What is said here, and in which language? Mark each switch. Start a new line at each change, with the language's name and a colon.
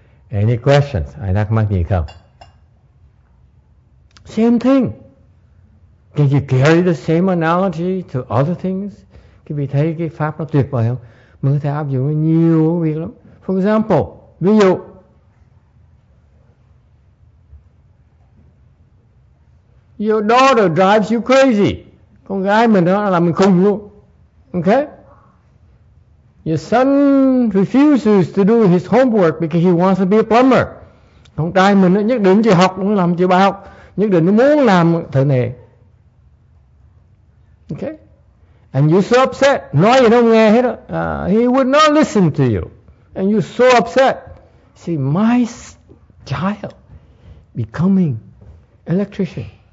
English: Any questions?
Vietnamese: Ai thắc mắc gì không?
English: Same thing. Can you carry the same analogy to other things?
Vietnamese: Quý vị thấy cái pháp nó tuyệt vời không? Mình có thể áp dụng nhiều việc lắm.
English: For example, ví dụ, your daughter drives you crazy.
Vietnamese: Con gái mình nó làm mình khùng luôn.
English: Okay? Your son refuses to do his homework because he wants to be a plumber.
Vietnamese: Con trai mình nó nhất định chịu học, nó làm chịu bài học, nhất định nó muốn làm thợ nề. Okay?
English: And you're so upset.
Vietnamese: Nói gì nó nghe hết đó.
English: He would not listen to you. And you're so upset. See, my child becoming electrician.